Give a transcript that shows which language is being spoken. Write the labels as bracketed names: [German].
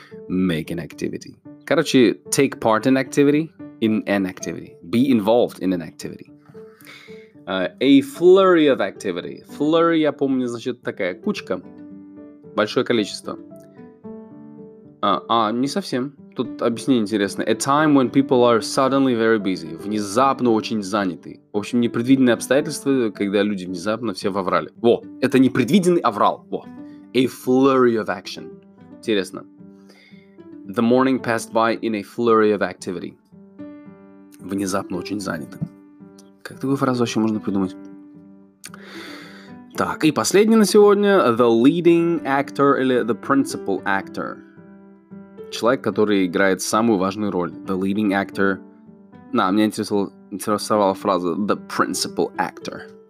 [English] Make an activity. Короче, take part in activity. In an activity. Be involved in an activity. A flurry of activity. [Russian] Flurry, я помню, значит, такая кучка. Большое количество. Не совсем. Тут объяснение интересное. [English] A time when people are suddenly very busy. [Russian] Внезапно очень заняты. В общем, непредвиденные обстоятельства, когда люди внезапно все в аврале. Во, это непредвиденный аврал. [English] Во. A flurry of action. Интересно. The morning passed by in a flurry of activity. [Russian] Внезапно очень заняты. Как такую фразу вообще можно придумать? Так, и последний на сегодня. [English] The leading actor или the principal actor. [Russian] Человек, который играет самую важную роль. [English] The leading actor. [Russian] На, меня интересовала фраза [English] the principal actor.